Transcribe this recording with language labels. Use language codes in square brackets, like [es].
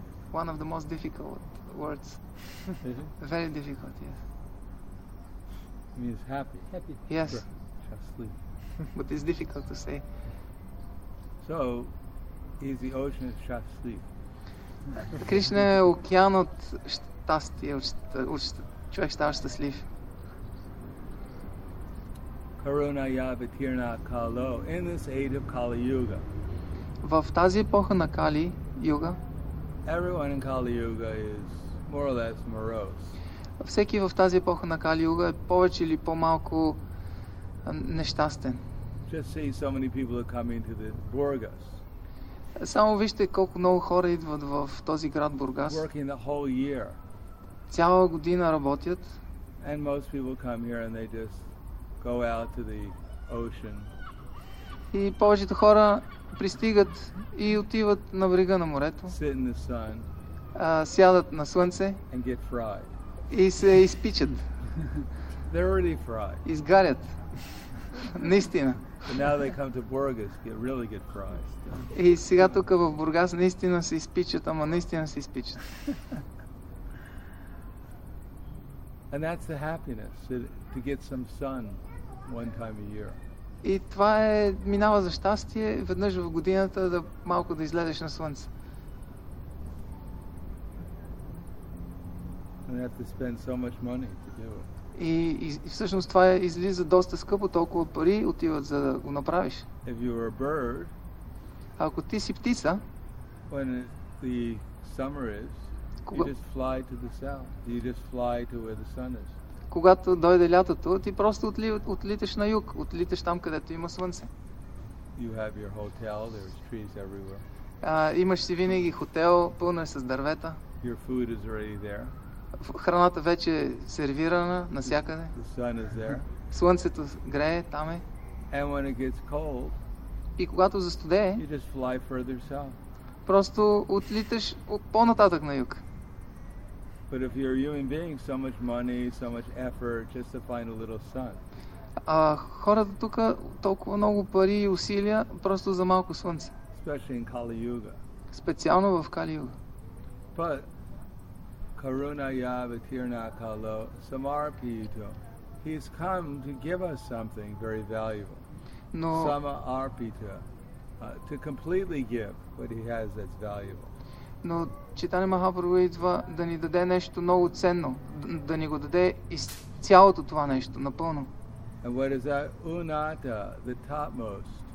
[en] One of the most difficult words. Very difficult, yes. It means happy. Happy. Yes. [bg] Щастлив. [en] But it's difficult to say. So, is the ocean of щастлив. [bg] Кришна е океан от щастие, човек става щастлив. [sa] Karuna Yavitirna Kalo, [en] in this age of Kali Yuga. [bg] В тази епоха на Кали Юга. [en] Everyone in Kali Yuga is more or less morose. [bg] Всеки в тази епоха на Кали Юга е повече или по-малко нещастен. [en] Just see so many people are coming to the Burgas. [bg] Само вижте колко много хора идват в този град Бургас. [en] Working the whole year. [bg] Цяла година работят. [en] And most people come here and they just go out to the ocean. [bg] И повечето хора пристигат и отиват на брега на морето. [en] Sit in the sun. [bg] Сядат на слънце. [en] And get fried. [bg] И се изпичат. [en] They're already fried. [bg] Изгарят. Наистина. [en] And now they come to Burgas, get really get fried. [bg] И сега тук в Бургас наистина се изпичат, ама наистина се изпичат. [en] And that's the happiness, to get some sun one time a year. [bg] И това е минава за щастие веднъж в годината да малко да излезеш на слънце. [en] And have to spend so much money to do it. [bg] И всъщност това излиза доста скъпо, толкова пари отиват за да го направиш. [en] If you are a bird, [bg] ако ти си птица, [en] when the summer is, you just fly to the south. You just fly to where the sun is. [bg] Когато дойде лятото, ти просто отлиташ на юг, отлиташ там, където има слънце. [en] You have your hotel, there's trees everywhere. [bg] Имаш си винаги хотел, пълно е с дървета. [en] Your food is already there. [bg] Храната вече е сервирана навсякъде. [en] The sun is there. [bg] Слънцето грее там. [en] And when it gets cold, [bg] и когато застудее, [en] you just fly further south. [bg] Просто отлиташ по-нататък на юг. [en] But if you're a human being, so much money, so much effort, just to find a little sun. [bg] Хората тук толкова много пари и усилия, просто за малко слънце. [en] Especially in Kali Yuga. [bg] Специално в Kali Yuga. [sa] But Karuna Yavitirna Kalo Samarpito. [en] He's come to give us something very valuable. No. [sa] Samarpita. [en] To completely give what he has that's valuable. [bg] Но Чайтанья Махапрабху идва да ни даде нещо много ценно, да ни го даде из цялото това нещо, напълно. [en] And what is that unata, the topmost?